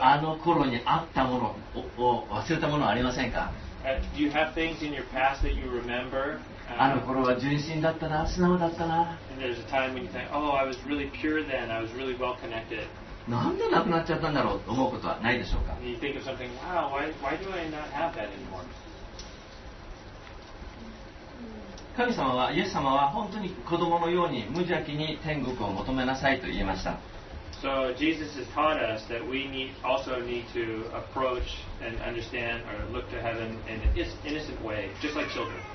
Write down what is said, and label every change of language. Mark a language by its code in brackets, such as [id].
[ja] あの頃にあったものを忘れたものはありませんか？ [en] Do you have things in your past that you remember? [ja] あの頃は純真だったな、素直だったな。 [en] And there's a time when you think, oh, I was really pure then, I was really well connected. [ja] なんでなくなっちゃったんだろうと思うことはないでしょうか？ [en] And you think of something, wow, why do I not have that anymore? [ja] 神様は、イエス様は本当に子供のように無邪気に天国を求めなさいと言いました。 [en] So Jesus has taught us that we also need to approach and understand or look to heaven in an innocent way, just like children.